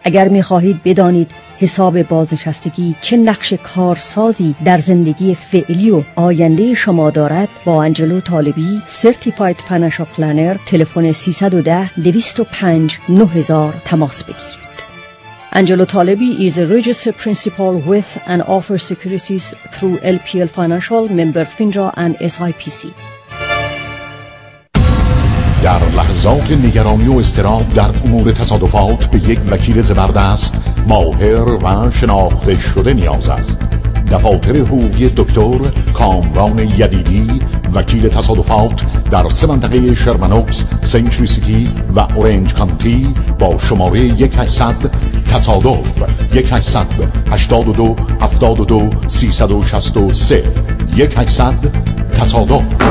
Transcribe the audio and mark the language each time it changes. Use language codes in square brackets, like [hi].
[fa] اگر می خواهید بدانید حساب بازنشستگی چه نقش کارسازی در زندگی فعلی و آینده شما دارد، با انجلو طالبی سرتیفاید فینانشل پلنر تلفن 310-205-9000 تماس بگیرید. [en] Angelo Talebi is a registered principal with and offers securities through LPL Financial, member FINRA and SIPC. [fa] در لحظات نگرانی و اضطراب در امور تصادفات به یک وکیل زبردست، ماهر و شناخته شده نیاز است. دفاتر حقوقی دکتر کامران یدیدی، وکیل تصادفات در سه منطقه شرمن اوکس، سنچری سیتی و اورنج کانتی، با شماره 1-800-TASADOF 1-800-82-72-363 1-800-TASADOF.